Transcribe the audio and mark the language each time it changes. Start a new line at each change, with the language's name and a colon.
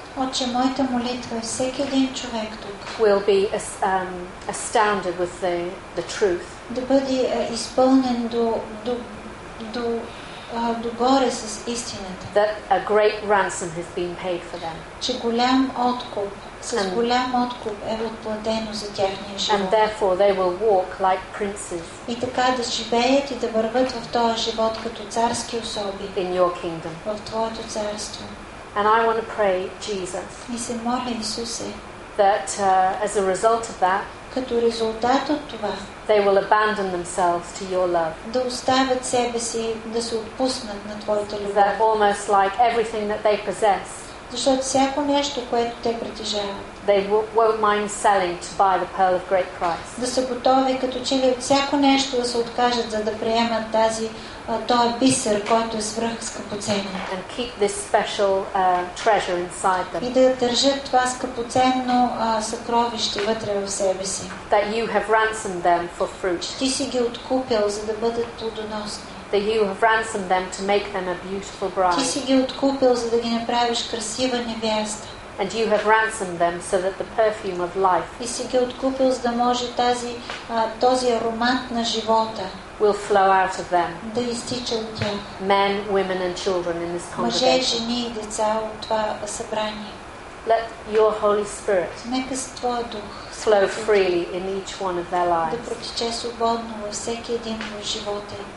Bulgarian: Отче, моята молитва е всеки един човек тук
English: will be astounded with the truth.
Bulgarian: Да бъде изпълнен до горе с истината.
English: That a great ransom has been paid for them.
Bulgarian: Че голям откуп, голям откуп е отплатено за тяхния живот.
English: And therefore they will walk like princes.
Bulgarian: И така да живеят и да вървят в този живот като царски особи.
English: In your kingdom.
Bulgarian: В твоето царство.
English: And I want to pray, Jesus, that as a result of that,
Bulgarian: като резултат от това,
English: they will abandon themselves to your love.
Bulgarian: Да оставят себе си, да се отпуснат на твоята любов.
English: That almost like everything that they possess,
Bulgarian: защото всяко нещо, което те притежават,
English: they won't mind selling to buy the pearl of great price.
Bulgarian: Да са готови, като че ли от всяко нещо да се откажат, за да приемат тази Той бисер, който е свръх скъпоценен.
English: And keep this special treasure inside them.
Bulgarian: И да държат това скъпоценно съкровище вътре в себе си.
English: That you have ransomed them for fruit.
Bulgarian: Ти си ги откупил, за да бъдат плодоносни.
English: That you have ransomed them to make them a beautiful bride.
Bulgarian: Ти си ги откупил, за да ги направиш красива невеста.
English: And you have ransomed them so that the perfume of life.
Bulgarian: И си ги откупил, за да може този аромат на живота
English: will flow out of them.
Bulgarian: Да изтича от тях.
English: Men, women and children in this congregation.
Bulgarian: Мъже, жени и деца от това събрание.
English: Let your Holy Spirit
Bulgarian: нека твоя дух
English: flow freely in each one of their lives.
Bulgarian: Да протече свободно във всеки един в живота.